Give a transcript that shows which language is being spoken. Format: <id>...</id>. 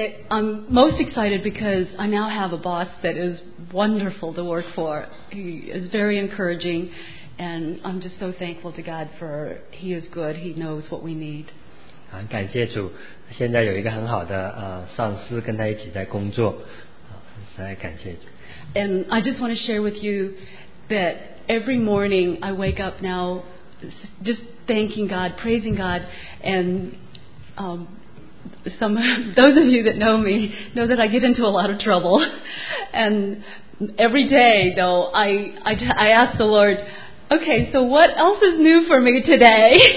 <en>I'm most excited because I now have a boss that is wonderful to work for. He is very encouraging, and I'm just so thankful to God for He is good. He knows what we need.</en> <zh>好，感谢主，现在有一个很好的上司跟他一起在工作，实在感谢主。</zh> <en>And I just want to share with you that every morning I wake up now just thanking God, praising God, and those of you that know me know that I get into a lot of trouble. And every day, though, I ask the Lord, okay, so what else is new for me today?</en>